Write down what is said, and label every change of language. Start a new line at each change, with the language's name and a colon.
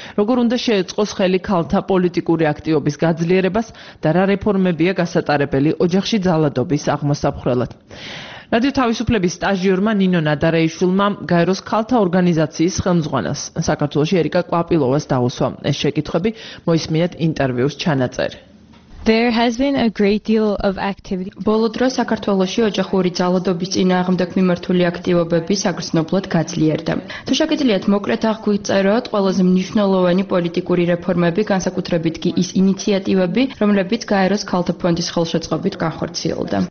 Georgian: როგორ უნდა შეეწყოს ხელი ქალთა პოლიტიკური აქტივობის გაძლიერებას და რა რეფორმებია გასატარებელი ოჯახში ძალადობის აღმოსაფხვრელად? რადიო თავისუფლების სტაჟიორმა ნინო ნადარეიშვილმა გაეროს ქალთა ორგანიზაციის ხელმძღვანელს საქართველოში ერიკა კვაპილოვას დაუსვა ეს შეკითხვები. მოისმინეთ ინტერვიუს ჩანაწერი.
English: There has been a great deal of activity.
Georgian: ბოლო დროს საქართველოში ოჯახური ძალადობის წინააღმდეგ მიმართული აქტივობები საგრძნობლად გაძლიერდა. თუ შეგიძლიათ მოკლედ აღგვიწეროთ ყველაზე მნიშვნელოვანი პოლიტიკური რეფორმები, განსაკუთრებით კი ის ინიციატივები, რომლებიც გაეროს ქალთა ფონდის ხელშეწყობით განხორციელდა.